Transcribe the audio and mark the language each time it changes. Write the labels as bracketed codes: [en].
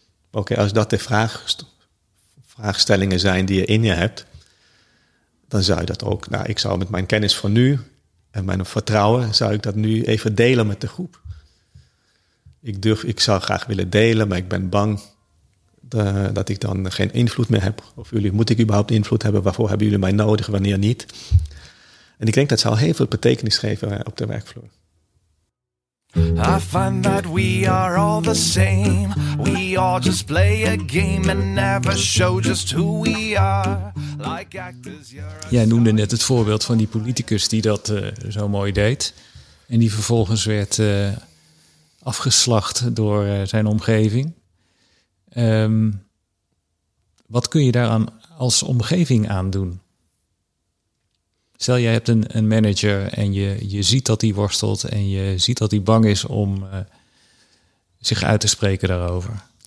[nl] Oké, als dat de vraagstellingen zijn die je in je hebt, dan zou je dat ook, nou, ik zou met mijn kennis van nu en mijn vertrouwen, zou ik dat nu even delen met de groep. Ik zou graag willen delen, maar ik ben bang dat ik dan geen invloed meer heb. Of jullie, moet ik überhaupt invloed hebben? Waarvoor hebben jullie mij nodig, wanneer niet? En ik denk dat zou heel veel betekenis geven op de werkvloer. [en] I find that we are all the same. We all just play a game and never show just who we are. Like actors, [nl] jij noemde net het voorbeeld van die politicus die dat zo mooi deed. En die vervolgens werd afgeslacht door zijn omgeving. Wat kun je daaraan als omgeving aan doen? Stel, jij hebt een manager en je ziet dat hij worstelt en je ziet dat hij bang is om zich uit te spreken daarover.